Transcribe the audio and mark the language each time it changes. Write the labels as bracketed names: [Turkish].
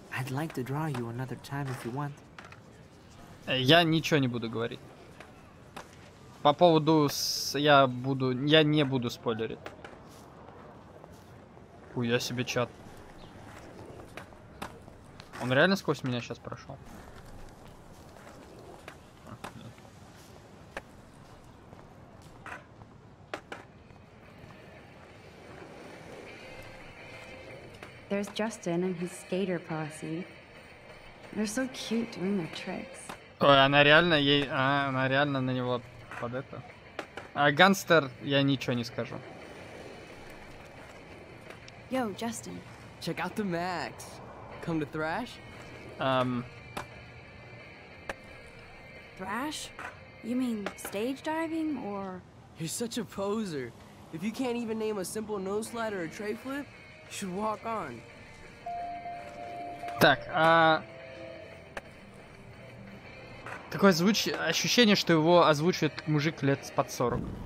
[English] I'd like to draw you another time if you want. [Russian] Я ничего не буду говорить. По поводу с... Я не буду спойлерить. Хуя себе чат. Он реально сквозь меня сейчас прошел. [English] There's Justin and his skater posse. They're so cute doing their tricks. [Russian] Ой, она реально ей... она реально на него под это... А гангстер, я ничего не скажу. [English] Yo, Justin. Check out the Max. Come to Thrash? Thrash? You mean stage diving, or... You're such a poser. If you can't even name a simple nose slide or a tray flip, you should walk on. [Russian] Так, такое ощущение, что его озвучивает мужик лет под 40.